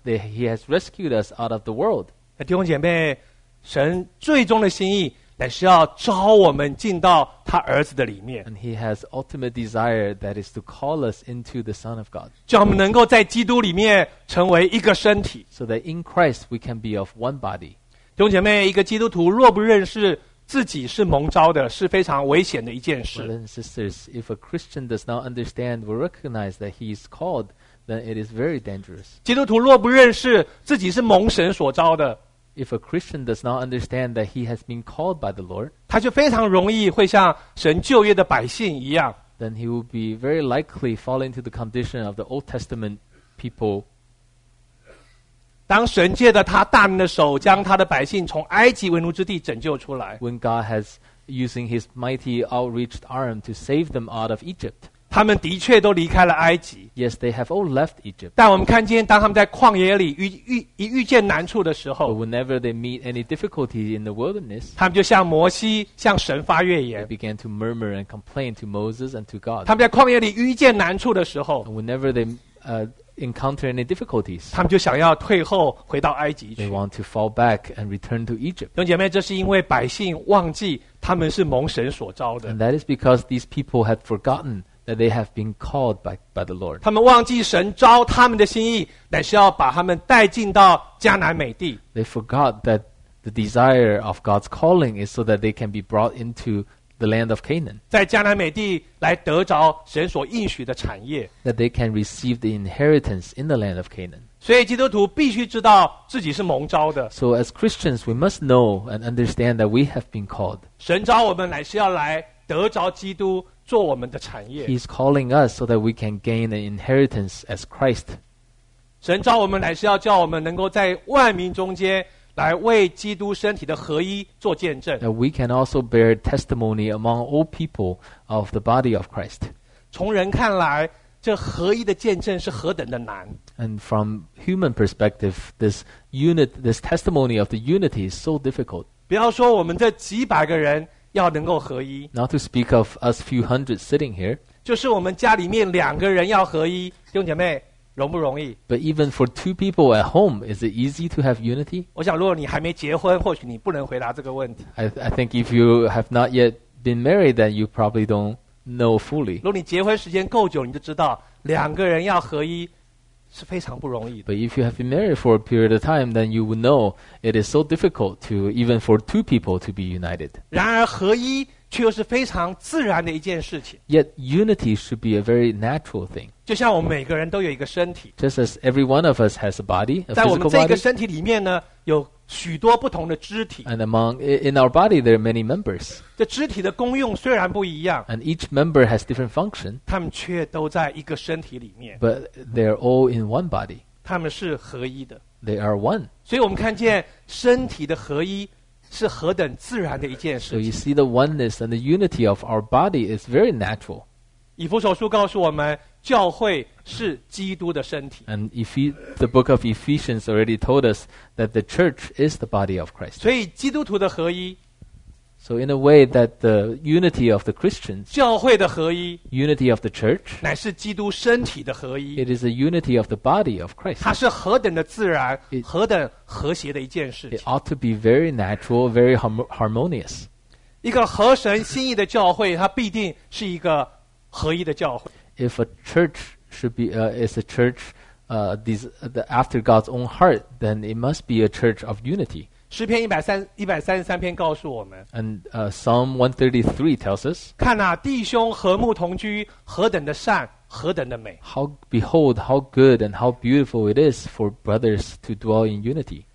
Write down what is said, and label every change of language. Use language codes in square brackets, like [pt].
[en] He has rescued us out of the world. [zh] 弟兄姐妹，神最终的心意乃是要召我们进到他儿子的里面。 [en] And he has ultimate desire that is to call us into the Son of God. [zh] 叫我们能够在基督里面成为一个身体。 [en] So that in Christ we can be of one body. [zh] 弟兄姐妹，一个基督徒若不认识自己是蒙召的，是非常危险的一件事。 [en] Brothers and sisters, if a Christian does not understand or recognize that he is called, then it is very dangerous. [zh] 基督徒若不认识自己是蒙神所召的， [en] If a Christian does not understand that he has been called by the Lord, [zh] 他就非常容易会像神旧约的百姓一样。 [en] Then he will be very likely fall into the condition of the Old Testament people. [zh] 当神借着他大能的手将他的百姓从埃及为奴之地拯救出来。 [en] When God has using his mighty outreached arm to save them out of Egypt. [zh] 他们的确都离开了埃及。 [en] Yes, they have all left Egypt. [zh] 但我们看见，当他们在旷野里遇见难处的时候 [en] ，But whenever they meet any difficulty in the wilderness, [zh] 他们就向摩西、向神发怨言。 [en] They began to murmur and complain to Moses and to God. [zh] 他们在旷野里遇见难处的时候 [en] ，But whenever they encounter any difficulties, [zh] 他们就想要退后回到埃及去。 [en] They want to fall back and return to Egypt. [zh] 弟兄姐妹，这是因为百姓忘记他们是蒙神所召的。 [en] And that is because these people had forgotten. That they have been called by the Lord. [zh] 他们忘记神召他们的心意，乃是要把他们带进到迦南美地。 [en] They forgot that the desire of God's calling is so that they can be brought into the land of Canaan. [zh] 在迦南美地来得着神所应许的产业。 [en] That they can receive the inheritance in the land of Canaan. [zh] 所以基督徒必须知道自己是蒙召的。 [en] So as Christians, we must know and understand that we have been called. [zh] 神召我们乃是要来得着基督。做我们的产业。 [en] He's calling us so that we can gain an inheritance as Christ. [zh] 神召我们乃是要叫我们能够在万民中间来为基督身体的合一做见证。 [en] That we can also bear testimony among all people of the body of Christ. [zh] 从人看来，这合一的见证是何等的难。 [en] And from human perspective, this testimony of the unity is so difficult. [zh] 不要说我们这几百个人。要能够合一 [en] Not to speak of us few hundred sitting here [zh] 就是我们家里面两个人要合一弟兄姐妹容不容易 [en] But even for two people at home Is it easy to have unity? [zh] 我想如果你还没结婚或许你不能回答这个问题 [en] I think if you have not yet been married Then you probably don't know fully [zh] 如果你结婚时间够久你就知道两个人要合一是非常不容易的。 [en] But if you have been married for a period of time, then you would know it is so difficult to even for two people to be united. [zh] 然而合一却又是非常自然的一件事情。 [en] Yet unity should be a very natural thing. [zh] 就像我们每个人都有一个身体。 [en] Just as every one of us has a body, a physical body. [zh] 在我们这个身体里面呢，有许多不同的肢体。 [en] And among in our body, there are many members. [zh] 这肢体的功用虽然不一样。 [en] And each member has different function. [zh] 他们却都在一个身体里面。 [en] But they are all in one body. [zh] 他们是合一的。 [en] They are one. [zh] 所以我们看见身体的合一。是何等自然的一件事情。 [en] So you see the oneness and the unity of our body is very natural. [zh] 以弗所书告诉我们，教会是基督的身体。 [en] And the book of Ephesians already told us that the church is the body of Christ. [zh] 所以基督徒的合一。 [en] So in a way that the unity of the Christians. [zh] 教会的合一。 [en] Unity of the church. [zh] 乃是基督身体的合一。 [en] It is the unity of the body of Christ. [zh] 它是何等的自然，何等和谐的一件事情。 [en] It ought to be very natural, very harmonious. [zh] 一个合神心意的教会，它必定是一个合一的教会。 [en] If a church should be, is a church, after God's own heart, then it must be a church of unity. [zh] 诗篇133篇告诉我们 [en] And Psalm 133 tells us [zh] 看啊弟兄和睦同居何等的善何等的美 [en] Behold how good and how beautiful it is for brothers to dwell in unity